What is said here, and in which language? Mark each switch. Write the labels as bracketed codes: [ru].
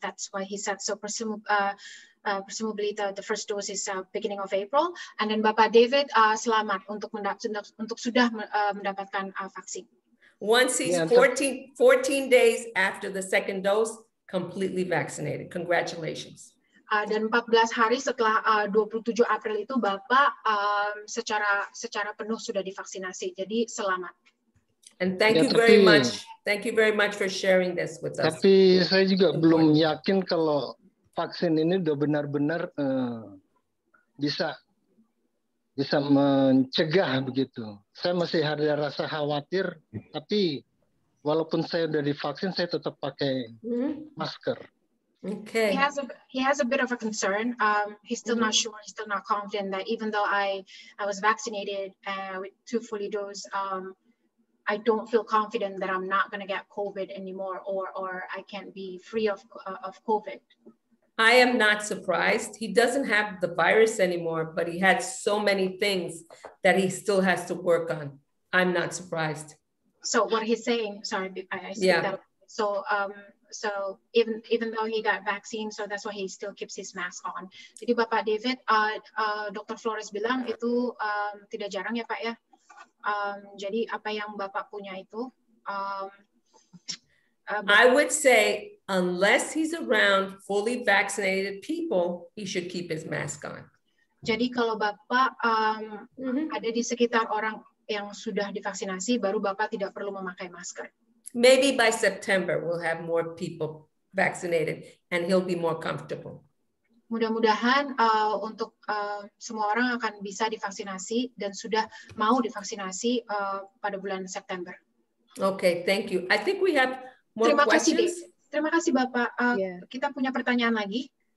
[en] That's why he said so presumably the first dose is beginning of April. And then [id] Bapak David, selamat untuk sudah mendapatkan vaksin. [en] Once he's 14 days after the second dose, completely vaccinated. Congratulations. [id] Dan 14 hari setelah 27 April itu Bapak secara penuh sudah divaksinasi. Jadi selamat. [en] And thank you very much. Thank you very much for sharing this with us. [id] Tapi saya juga belum yakin kalau vaksin ini udah benar-benar bisa mencegah begitu. Saya masih ada rasa khawatir, tapi walaupun saya udah divaksin, saya tetap pakai masker. [en] Okay. He has a bit of a concern. He's still not sure. He's still not confident that even though I was vaccinated with two fully dose, I don't feel confident that I'm not going to get COVID anymore or I can't be free of COVID. I am not surprised. He doesn't have the virus anymore, but he had so many things that he still has to work on. I'm not surprised. So what he's saying, sorry, I said that. So even though he got vaccine, so that's why he still keeps his mask on. [id] Jadi Bapak David, Dr. Flores bilang itu tidak jarang ya Pak ya. Jadi apa yang Bapak punya itu? [en] I would say unless he's around fully vaccinated people, he should keep his mask on. [id] Jadi kalau Bapak ada di sekitar orang yang sudah divaksinasi, baru Bapak tidak perlu memakai masker. [en] Maybe by September we'll have more people vaccinated and he'll be more comfortable. [id] Mudah-mudahan untuk semua orang akan bisa divaksinasi dan sudah mau divaksinasi pada bulan September. [en] Okay, thank you. I think we have more [id] terima [en] questions. [id] Kasih, terima kasih Bapak. Kita punya pertanyaan lagi.